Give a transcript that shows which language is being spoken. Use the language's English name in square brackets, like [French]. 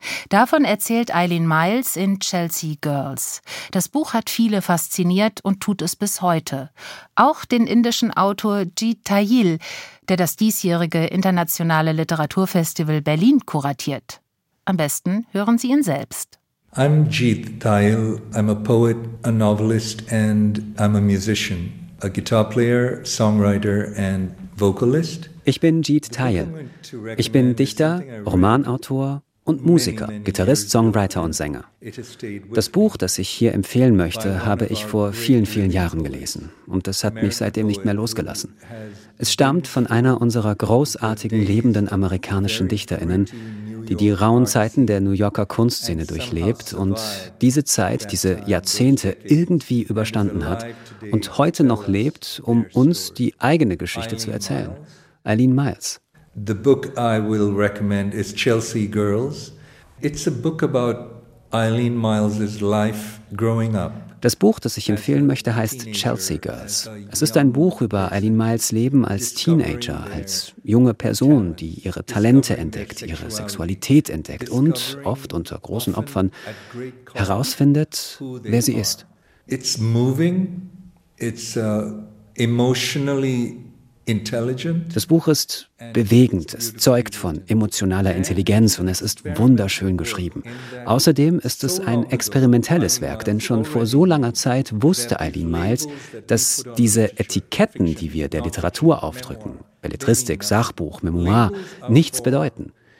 [German] Davon erzählt Eileen Miles in Chelsea Girls. Das Buch hat viele fasziniert und tut es bis heute. Auch den indischen Autor Jeet Tayil, der das diesjährige Internationale Literaturfestival Berlin kuratiert. Am besten hören Sie ihn selbst. [English] I'm Jeet Tayil. I'm a poet, a novelist and I'm a musician. A guitar player, songwriter and vocalist. [German] Ich bin Jeet Tayil. Ich bin Dichter, Romanautor und Musiker, Gitarrist, Songwriter und Sänger. Das Buch, das ich hier empfehlen möchte, habe ich vor vielen, vielen Jahren gelesen. Und das hat mich seitdem nicht mehr losgelassen. Es stammt von einer unserer großartigen, lebenden amerikanischen DichterInnen, die die rauen Zeiten der New Yorker Kunstszene durchlebt und diese Zeit, diese Jahrzehnte irgendwie überstanden hat und heute noch lebt, um uns die eigene Geschichte zu erzählen. Eileen Miles. [English] The book I will recommend is Chelsea Girls. It's a book about Eileen Miles's life growing up. [German] Das Buch, das ich empfehlen möchte, heißt Chelsea Girls. Es ist ein Buch über Eileen Miles' Leben als Teenager, als junge Person, die ihre Talente entdeckt, ihre Sexualität entdeckt und oft unter großen Opfern herausfindet, wer sie ist. [English] It's moving. It's emotionally intelligent. [German] Das Buch ist bewegend, es zeugt von emotionaler Intelligenz und es ist wunderschön geschrieben. Außerdem ist es ein experimentelles Werk, denn schon vor so langer Zeit wusste Eileen Miles, dass diese Etiketten, die wir der Literatur aufdrücken, Belletristik, Sachbuch, Memoir, nichts bedeuten.